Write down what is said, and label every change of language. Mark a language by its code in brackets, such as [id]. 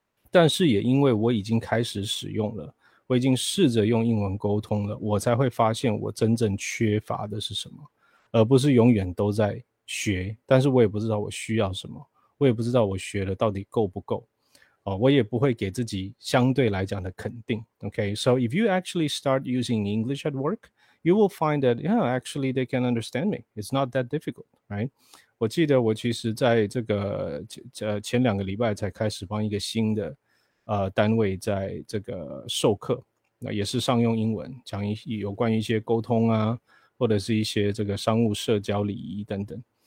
[zh] 但是也因为我已经开始使用了，我已经试着用英文沟通了，我才会发现我真正缺乏的是什么，而不是永远都在学，但是我也不知道我需要什么，我也不知道我学的到底够不够、哦、我也不会给自己相对来讲的肯定。 [en] Okay, so if you actually start using English at work, you will find that, yeah, actually they can understand me. It's not that difficult, right? [zh] 我记得我其实在这个前两个礼拜才开始帮一个新的、单位在这个授课，那也是上用英文，讲有关于一些沟通啊或者是一些这个商务社交礼仪等等。